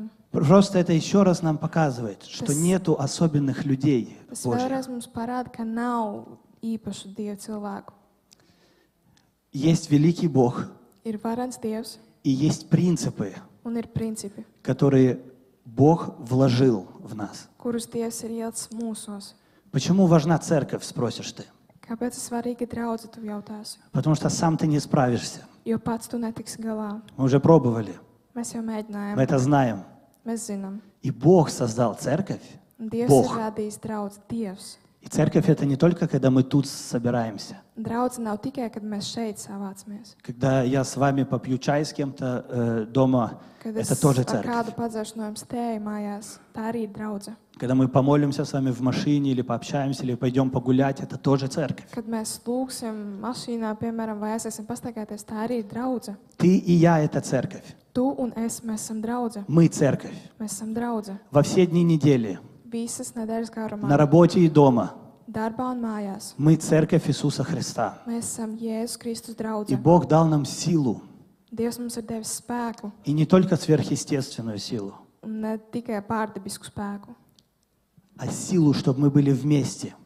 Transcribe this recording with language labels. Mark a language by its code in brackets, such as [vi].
[ru] Просто это еще раз нам показывает, что tas, нету особенных людей Божьих. Есть великий Бог. [lv] Ir varens Dievs, [ru] и есть принципы, [lv] un ir principi, [ru] которые Бог вложил в нас. [lv] Kurus Dievs ir ielicis mūsos. [ru] Почему важна церковь, спросишь ты? [lv] Kāpēc ir svarīgi draudze, tu jautāsi? [ru] Потому что сам ты не справишься. [lv] Jo pats tu netiksi galā. [ru] Мы уже пробовали. [lv] Mēs jau mēģinājām. [ru] Мы это знаем. [lv] Mēs zinām. [ru] И Бог создал церковь. [lv] Dievs Бог. Ir radījis draudz, Dievs. [ru] И церковь это не только когда мы тут собираемся. [lv] Draudz nav tikai kad mēs šeit savācamies. [ru] Когда я с вами попью чай с кем-то дома, [lv] kad [ru] это тоже церковь. Когда [lv] кадо подзашну no jums tēji mājās, tā arī draudze. [ru] Когда мы помолимся с вами в машине или пообщаемся или пойдём погулять, это тоже церковь. [lv] Kad mēs lūksim mašīnā, piemēram, vai esam pastaigāties, tā arī draudze. [ru] Ты и я это церковь. [lv] Tu un es, mēs esam draudze. [ru] Мы церковь. [lv] Mēs esam draudze. [ru] Во все дни недели. [lv] Visas nedēļas garumā. [ru] На работе и дома. [lv] Darbā un mājās. [ru] Мы церковь Иисуса Христа. [lv] Mēs esam Jēzus Kristus draudze. [ru] И Бог дал нам силу. [lv] Dievs mums ir devis spēku. [ru] И не только сверхъестественную силу. [lv] Ne tikai pārdabisku spēku. [ru] А силу, чтобы мы были вместе.